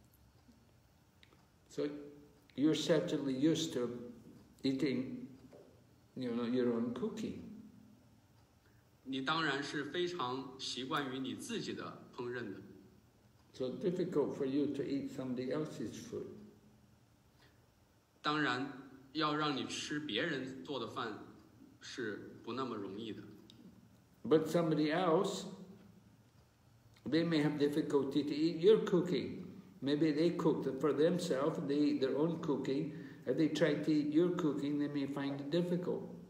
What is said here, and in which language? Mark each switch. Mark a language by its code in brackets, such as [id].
[zh] 有一些时候就是这样，有一些人他的舌头已经非常习惯各种各样的食物了，就是说他已经就是没有什么反应的。So [en] you're certainly used to eating, you know, your own cooking. [zh] 你当然是非常习惯于你自己的烹饪的。So [en] difficult for you to eat somebody else's food. [zh] 当然。要让你吃别人做的饭，是不那么容易的。But [en] somebody else, they may have difficulty to eat your cooking. Maybe they cook for themselves, they eat their own cooking. If they try to eat your cooking, they may find it difficult.